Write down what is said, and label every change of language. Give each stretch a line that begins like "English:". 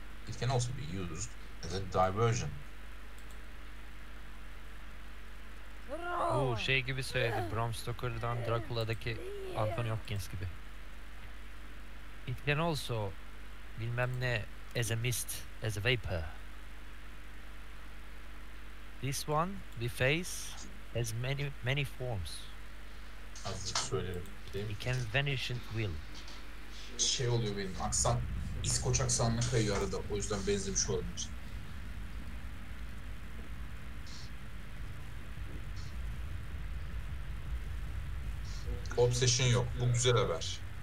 English: It can also be used as a diversion.
Turkish: Bu şey gibi söyledi, Bram Stoker'dan Dracula'daki Anthony Hopkins gibi.
English: It can also,
Turkish: bilmem ne,
English: as a mist, as a vapor. This one, the face, has many, many forms.
Turkish: Azıcık söylerim.
English: It can vanish at will.
Turkish: Şey oluyor benim, aksan, İskoç aksanına kayıyor arada, o yüzden benzemiş olabilir. Obsession yok. Bu güzel haber.